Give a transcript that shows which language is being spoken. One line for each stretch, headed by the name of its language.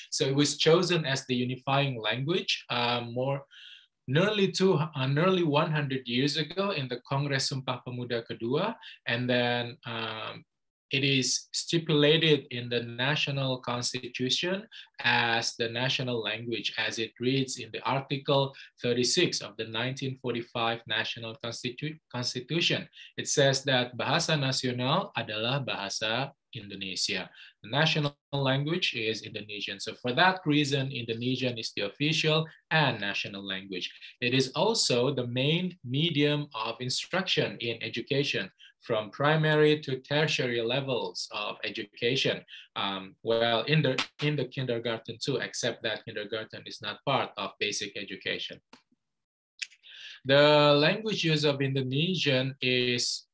English: So it was chosen as the unifying language nearly 100 years ago in the Kongres Sumpah Pemuda Kedua, and then it is stipulated in the national constitution as the national language, as it reads in the Article 36 of the 1945 National Constitution. It says that
Indonesian: Bahasa Nasional adalah Bahasa Indonesia.
English: The national language is Indonesian. So for that reason, Indonesian is the official and national language. It is also the main medium of instruction in education, from primary to tertiary levels of education, in the kindergarten too, except that kindergarten is not part of basic education. The language use of Indonesian is